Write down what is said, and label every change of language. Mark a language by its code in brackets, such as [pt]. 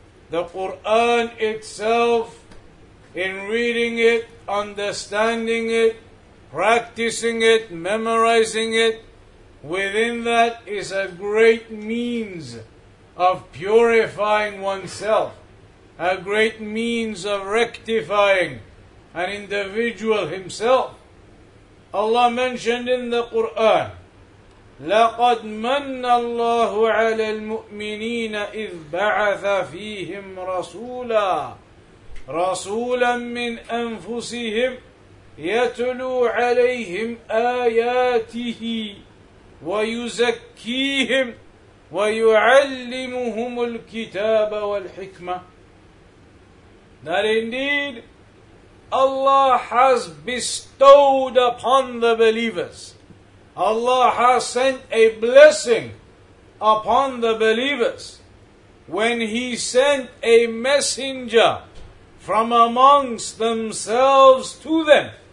[en] The Qur'an itself, in reading it, understanding it, practicing it, memorizing it, within that is a great means of purifying oneself, a great means of rectifying an individual himself. Allah mentioned in the Qur'an, [ar] لَقَدْ مَنَّ اللَّهُ عَلَى الْمُؤْمِنِينَ إِذْ بَعَثَ فِيهِمْ رَسُولًا رَسُولًا مِّنْ أَنفُسِهِمْ يَتْلُو عَلَيْهِمْ آيَاتِهِ وَيُزَكِّيهِمْ وَيُعَلِّمُهُمُ الْكِتَابَ وَالْحِكْمَةِ. [en] That indeed Allah has bestowed upon the believers, Allah has sent a blessing upon the believers when He sent a messenger from amongst themselves to them